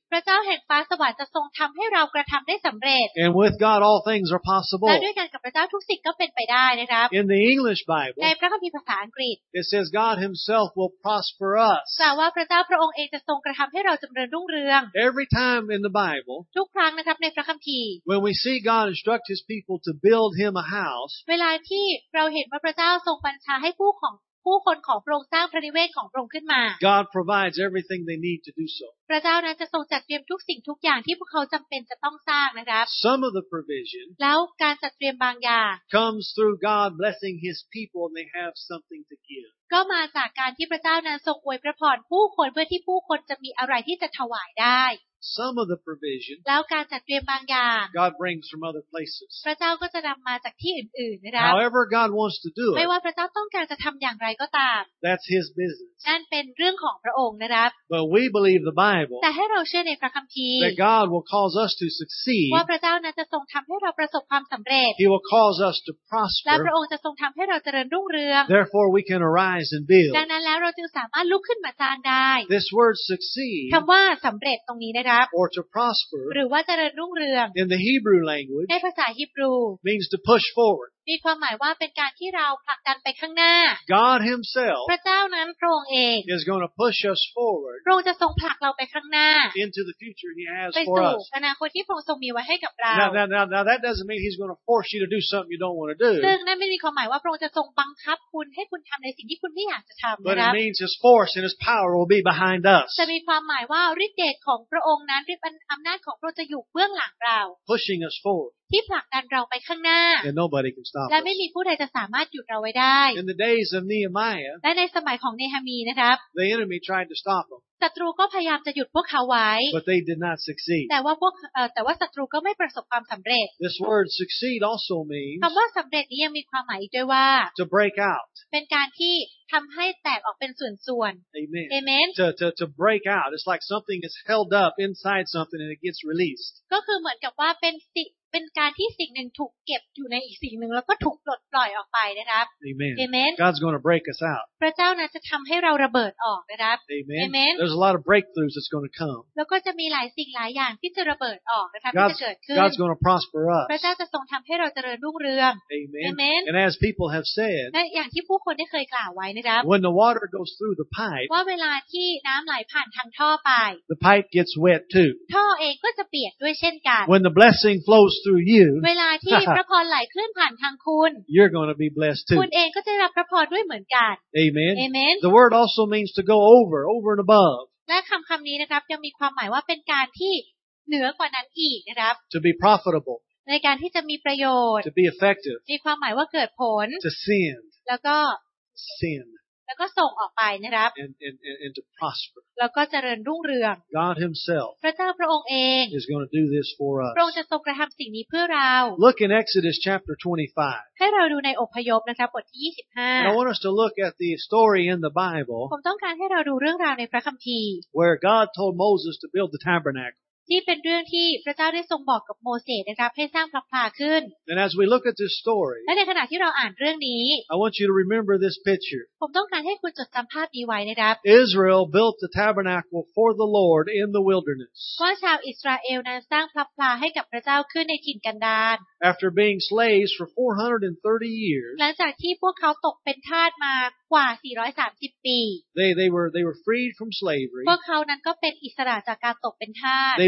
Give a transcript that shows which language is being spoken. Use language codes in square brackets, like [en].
[th] พระเจ้าแห่งฟ้าสวรรค์จะทรงทำให้เรากระทำได้สำเร็จ [en] And with God all things are possible [th] และด้วยกันกับพระเจ้าทุกสิ่งก็เป็นไปได้นะครับ [en] In the English Bible [th] ในพระคัมภีร์ภาษาอังกฤษ [en] It says God himself will prosper us [th] กล่าวว่าพระเจ้าพระองค์เองจะทรงกระทำให้เราเจริญรุ่งเรือง [en] Every time in the Bible [th] ทุกครั้งนะครับในพระคัมภีร์ [en] When we see God instruct his people to build him a house [th] เวลาที่เราเห็นว่าพระเจ้าทรงบัญชาให้ผู้คนของพระองค์สร้างพระนิเวศของพระองค์ขึ้นมา [en] God provides everything they need to do so [th] พระเจ้านั้นจะทรงจัดเตรียมทุกสิ่งทุกอย่างที่พวกเขาจำเป็นจะต้องสร้างนะครับ [en] Some of the provision [th] แล้วการจัดเตรียมบางอย่าง [en] comes through God blessing his people and they have something to give [th] ก็มาจากการที่พระเจ้านั้นทรงอวยพระพรผู้คนเพื่อที่ผู้คนจะมีอะไรที่จะถวายได้ [en] Some of the provision. [th] แล้วการจัดเตรียมบางอย่าง [en] God brings from other places. [th] พระเจ้าก็จะนำมาจากที่อื่นๆนะครับ [en] However God wants to do it. [th] ไม่ว่าพระเจ้าต้องการจะทำอย่างไรก็ตาม [en] That's His business. [th] นั่นเป็นเรื่องของพระองค์นะครับ [en] But we believe the Bible. [th] แต่ให้เราเชื่อในพระคัมภีร์ [en] That God will cause us to succeed. [th] ว่าพระเจ้านั้นจะทรงทำให้เราประสบความสำเร็จ [en] He will cause us to prosper. [th] และพระองค์จะทรงทำให้เราเจริญรุ่งเรือง [en] Therefore we can arise and build. [th] ดังนั้นแล้วเราจึงสามารถลุกขึ้นมาสร้างได้ [en] This word succeed. [th] คำว่าสำเร็จตรงนี้ [en] Or to prosper, [th] หรือว่าเจริญรุ่งเรือง [en] in the Hebrew language, [th] ในภาษาฮีบรู [en] means to push forward, [th] มีความหมายว่าเป็นการที่เราผลักดันไปข้างหน้า [en] God Himself, [th] พระเจ้านั้นพระองค์เอง [en] is going to push us forward, [th] พระองค์จะทรงผลักเราไปข้างหน้า [en] into the future He has for us, [th] ไปสู่อนาคตที่พระองค์ทรงมีไว้ให้กับเรา [en] Now that doesn't mean He's going to force you to do something you don't want to do. [th] ซึ่งนั่นไม่มีความหมายว่าพระองค์จะทรงบังคับคุณให้คุณทำในสิ่งที่คุณไม่อยากจะทำนะครับ [en] But it means His force and His power will be behind us. [th] จะมีความหมายว่าฤทธิ์เดชของพระองค์นั้นเป็นอำนาจของพระองค์จะอยู่เบื้องหลังเรา [en] pushing us forward [th] ที่ผลักดันเราไปข้างหน้าและไม่มีผู้ใดจะสามารถหยุดเราไว้ได้ [en] In the days of Nehemiah [th] และในสมัยของเนฮามีนะครับ [en] The enemy tried to stop them [th] ศัตรูก็พยายามจะหยุดพวกเขาไว้ [en] But they did not succeed [th] แต่ว่าศัตรูก็ไม่ประสบความสำเร็จ [en] This word succeed also means [th] คำว่าสำเร็จนี้ยังมีความหมายอีกด้วยว่า [en] To break out [th] เป็นการที่ทำให้แตกออกเป็นส่วน [en] ๆ Amen. Amen. To break out. It's like something is held up inside something and it gets released. [th] ก็คือเหมือนกับว่าเป็นการที่สิ่งหนึ่งถูกเก็บอยู่ในอีกสิ่งหนึ่งแล้วก็ถูกปลดปล่อยออกไปนะครับ [en] Amen. Amen. God's going to break us out. [th] พระเจ้านั้นจะทำให้เราระเบิดออกนะครับ [en] Amen. Amen. There's a lot of breakthroughs that's going to come. [th] แล้วก็จะมีหลายสิ่งหลายอย่างที่จะระเบิดออกนะครับที่จะเกิดขึ้น [en] God's going to prosper us. [th] พระเจ้าจะทรงทำให้เราเจริญรุ่งเรือง [en] Amen. Amen. And as people have said. [th] และอย่างที่ผู้คนได้เคยกล่าวไว้นะครับ [en] When the water goes through the pipe. [th] ว่าเวลาที่น้ำไหลผ่านทางท่อไป [en] The pipe gets wet too. [th] ท่อเองก็จะเปียกด้วยเช่นกัน [en] When the blessing flowsthrough you [th] เวลาที่พระพรไหลคลื่นผ่านทางคุณ [en] you're going to be blessed too [th] คุณเองก็จะรับพระพรด้วยเหมือนกัน [en] amen amen the word also means to go over and above [th] และคำนี้นะครับยังมีความหมายว่าเป็นการที่เหนือกว่านั้นอีกนะครับ [en] to be profitable [th] ในการที่จะมีประโยชน์ [en] to be effective [th] มีความหมายว่าเกิดผล [en] to sin [th] แล้วก็ [en] sin [th] แล้วก็ส่งออกไปนะครับ [en] and to prosper. [th] แล้วก็เจริญรุ่งเรือง [en] God himself [th] พระเจ้าพระองค์เอง [en] is going to do this for us [th] พระองค์จะทรงกระทำสิ่งนี้เพื่อเรา [en] Look in Exodus chapter 25 [th] ให้เราดูในอพยพนะครับบทที่25 [en] I want us to look at the story in the Bible [th] ผมต้องการให้เราดูเรื่องราวในพระคัมภีร์ [en] where God told Moses to build the tabernacle [th] ที่เป็นเรื่องที่พระเจ้าได้ทรงบอกกับโมเสสนะครับให้สร้างพลับพลาขึ้น [en] and as we look at this story [th] และในขณะที่เราอ่านเรื่องนี้ [en] I want you to remember this picture [th] ผมต้องการให้คุณจดจำภาพนี้ไว้นะครับ [en] Israel built the tabernacle for the Lord in the wilderness [th] ว่าชาวอิสราเอลนั้นสร้างพลับพลาให้กับพระเจ้าขึ้นในถิ่นกันดาร [en] after being slaves for 430 years [th] หลังจากที่พวกเขาตกเป็นทาสมากว่า430ปี [en] they were freed from slavery [th] พวกเขานั้นก็เป็นอิสระจากการตกเป็นทาส